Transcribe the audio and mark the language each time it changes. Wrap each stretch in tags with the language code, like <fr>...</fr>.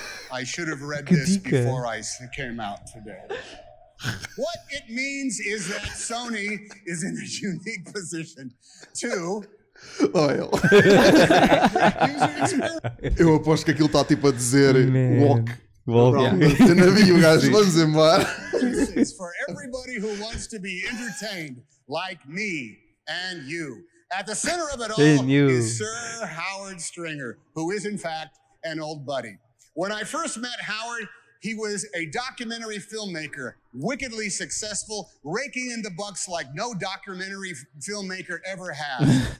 <en>I should have read this before I came out today. What it means is that Sony is in a unique position to... Oil.</en> <pt>Eu aposto que aquilo está tipo a dizer walk.</pt> <en>Walk.</en> <pt>Eu não vi o gajo, vamos embora.</pt> <en>It's for everybody who wants to be entertained like me and you. At the center of it all is Sir Howard Stringer, who is in fact an old buddy. When I first met Howard, he was a documentary filmmaker, wickedly successful, raking in the bucks like no documentary filmmaker ever has.</en>